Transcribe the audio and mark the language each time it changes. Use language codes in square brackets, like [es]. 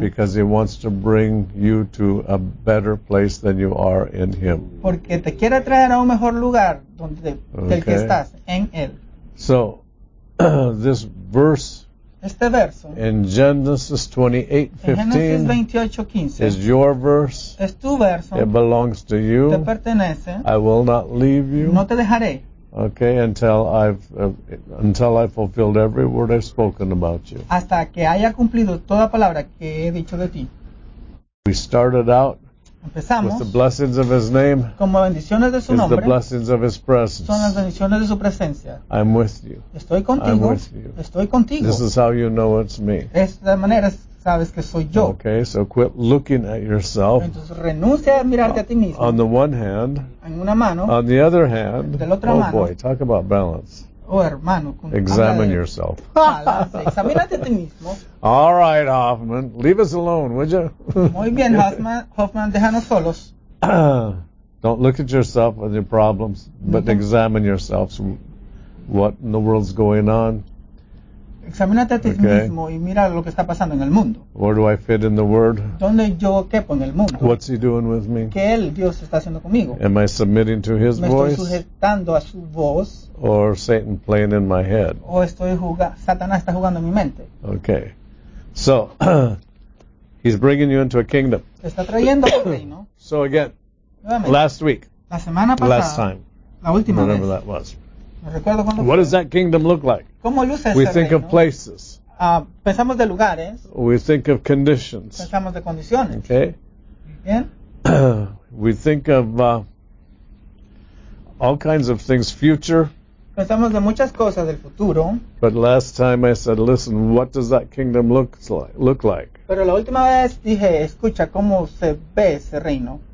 [en] Because he wants to bring you to a better place than you are in him. [es] Porque te quiere traer a un mejor lugar donde okay. del que estás en él. [en] So, this verse. [es] Este verso. [en] In Genesis 28:15. Is your verse. [es] Es tu verso. [en] It belongs to you. [es] Te pertenece. [en] I will not leave you. [es] No te dejaré. [en] Okay, until I've fulfilled every word I've spoken about you. [es] Hasta que haya cumplido toda palabra que he dicho de ti. [en] We started out. [es] Empezamos. [en] With the blessings of his name. [es] Como bendiciones de su [en] is [es] nombre. [en] The blessings of his presence. [es] Son las bendiciones de su presencia. [en] I'm with you. [es] Estoy contigo. [en] I'm with you. [es] Estoy contigo. [en] This is how you know it's me. [es] Esta manera sabes que soy yo. [en] Okay, so quit looking at yourself. [es] Entonces renuncia a mirarte a ti mismo. [en] On the one hand. [es] En una mano. [en] On the other hand. [es] Del otro oh mano. [en] Oh boy, talk about balance. [es] Oh hermano. [en] Examine yourself. [es] Examínate a ti mismo. [en] All right, Hoffman. Leave us alone, would you? [es] Muy bien, Hoffman. Déjanos solos. [en] Don't look at yourself and your problems, but examine yourself. So what in the world's going on? [es] Examínate a ti [en] okay. [es] mismo y mira lo que está pasando en el mundo. [en] Where do I fit in the word? [es] ¿Dónde yo quepo en el mundo? [en] What's he doing with me? [es] ¿Qué él, Dios, está haciendo conmigo? [en] Am I submitting to his [es] ¿Me [en] voice? [es] ¿Me estoy sujetando a su voz? [en] Or Satan playing in my head? [es] ¿O estoy jugando, Satanás está jugando en mi mente? [en] Okay. So, he's bringing you into a kingdom. [es] Te está trayendo al reino. [en] So again, [es] nuevamente, [en] last week. [es] La semana pasada. [en] Last time. [es] La última [en] whatever [es] vez. [en] That was. What does that kingdom look like? [es] ¿Cómo luce [en] we think [es] reino? [en] Of places. [es] Pensamos de lugares. [en] We think of conditions. [es] Pensamos de condiciones. [en] Okay. [es] Bien. [en] We think of all kinds of things, future. [es] Pensamos de muchas cosas del futuro. [en] But last time I said, listen, what does that kingdom look like? [es] Pero la última vez dije, escucha, ¿cómo se ve ese reino?